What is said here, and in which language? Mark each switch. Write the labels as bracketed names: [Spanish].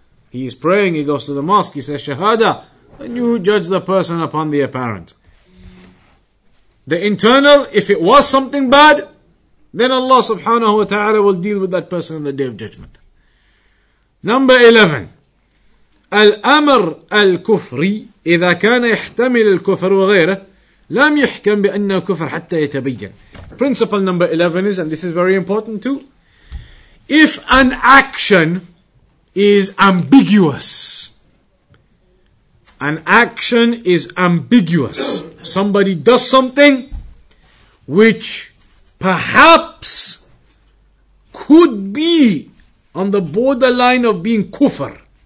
[English] He is praying, he goes to the mosque, he says shahada, and you judge the person upon the apparent. The internal, if it was something bad, then Allah subhanahu wa ta'ala will deal with that person on the day of judgment. Number 11. [Arabic] الأمر الكفري إذا كان يحتمل الكفر وغيره لم يحكم بأنه كفر حتى يتبين. [English] Principle number 11 is, and this is very important too, if an action is ambiguous, an action is ambiguous, somebody does something which perhaps could be on the borderline of being kufr.